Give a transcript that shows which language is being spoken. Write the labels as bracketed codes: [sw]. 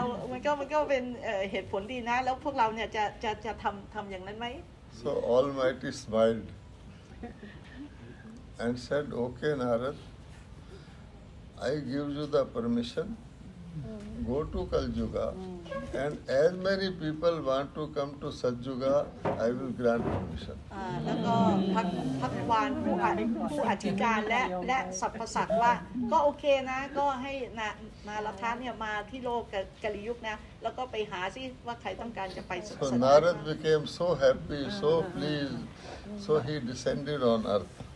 [th] มันก็เป็นเหตุผลดีนะแล้วพวกเราเนี่ยจะทำอย่างนั้นไหม [en] So Almighty smiledAnd said, "Okay, Narad, I give you the permission. Go to Kaljuga, and as many people want to come to Satyuga, I will grant permission." [th] แล้วก็พักวานผู้อธิการและสรรพสัตว์ว่าก็โอเคนะก็ให้นารทะเนี่ยมาที่โลกกาลียุคนะแล้วก็ไปหาซิว่าใครต้องการจะไป [en] So Narad became so happy, so pleased, so he descended on earth.